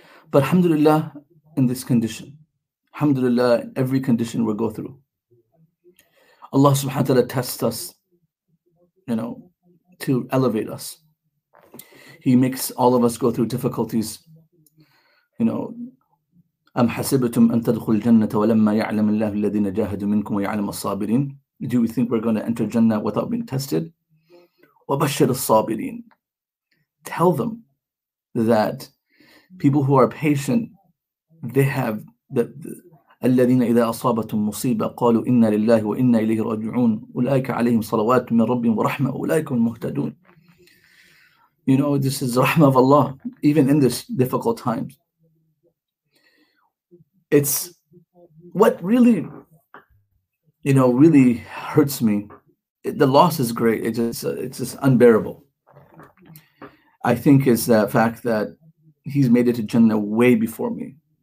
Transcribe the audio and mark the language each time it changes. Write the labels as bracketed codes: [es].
[en] But alhamdulillah, in this condition, alhamdulillah, in every condition we go through, Allah subhanahu wa ta'ala tests us, you know, to elevate us. He makes all of us go through difficulties. You know, [ar] أَمْ حَسِبْتُمْ أَن تَدْخُلْ الْجَنَّةَ وَلَمَّا يَعْلَمِ اللَّهُ الَّذِينَ جَاهَدُوا مِنْكُمْ وَيَعْلَمَ الصَّابِرِينَ. [en] Do we think we're going to enter Jannah without being tested? [ar] وَبَشِّرِ الصَّابِرِينَ. [en] Tell them that people who are patient, they have the [ar] الذين إذا أصابتهم مصيبة قالوا إنا لله وإنا إليه راجعون أولئك عليهم صلوات من ربهم ورحمة أولئك المهتدون. [en] You know, this is rahma of Allah, even in this difficult times. It's what really, you know, really hurts me. The loss is great. It's just unbearable. I think is the fact that he's made it to Jannah way before me.